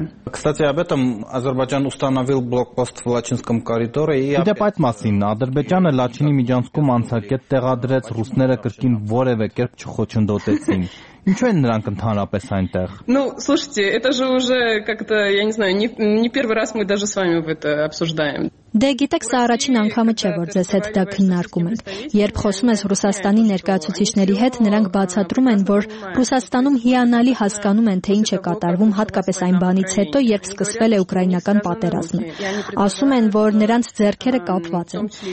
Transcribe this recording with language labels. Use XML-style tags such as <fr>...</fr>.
<ru>Кстати, об этом Азербайджан установил блокпост в Лачинском коридоре и</ru> <hy>Դե պատ մասին Ադրբեջանը Լաչինի միջանցքում անցակետ տեղադրեց, ռուսները կրկին որևէ կերպ չխոչընդոտեցին։ Ինչու են նրանք ընդհանրապես այնտեղ։</hy> <ru>Ну, слушайте, это же уже как-то, я не знаю, не первый раз мы даже с вами в это обсуждаем.</ru> <hy>Դե գիտեք, սա առաջին անգամը չէ, որ ձեզ հետ դա քննարկում ենք։ Երբ խոսում ես Ռուսաստանի ներկայացուցիչների հետ, նրանք բացատրում են, որ Ռուսաստանում հիանալի հասկանում են, թե ինչ է կատարվում, հատկապես այն բանից հետո, երբ սկսվել է ուկրաինական պատերազմը։ Ասում են, որ նրանց ձեռքերը կապված են</hy>